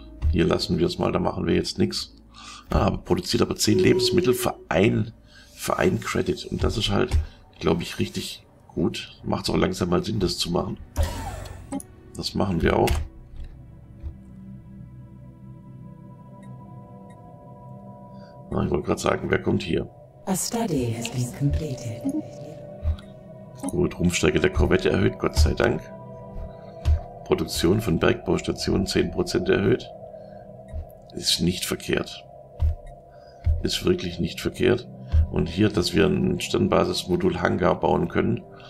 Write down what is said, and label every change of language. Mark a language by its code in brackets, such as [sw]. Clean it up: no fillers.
[de] Hier lassen wir es mal, da machen wir jetzt nichts. Ah, produziert aber 10 Lebensmittel für ein Credit. Und das ist halt, glaube ich, richtig gut. Macht es auch langsam mal Sinn, das zu machen. Das machen wir auch. Ah, ich wollte gerade sagen, wer kommt hier? [en] A study has been completed. [de] Gut, Rumpfstärke der Korvette erhöht, Gott sei Dank. Produktion von Bergbaustationen 10% erhöht. Ist nicht verkehrt. Ist wirklich nicht verkehrt. Und hier, dass wir ein Sternbasismodul Hangar bauen können.